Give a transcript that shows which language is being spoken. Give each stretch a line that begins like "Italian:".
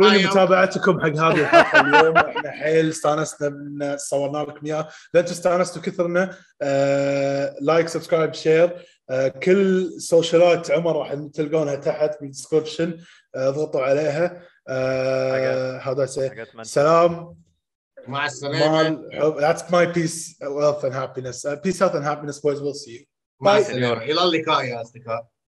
Arabic: متابعتكم حق هذا اليوم احنا حيل استانسنا من صورنا لكم اياه لا تستانسوا كثرنا لايك سبسكرايب شير كل سوشيالات عمر راح تلقونها تحت بالديسكربشن اضغطوا عليها هذا سي سلام مع السلامه
English: that's my peace wealth and happiness peace health and happiness boys we'll see you bye
Arabic: الى اللقاء يا اصدقاء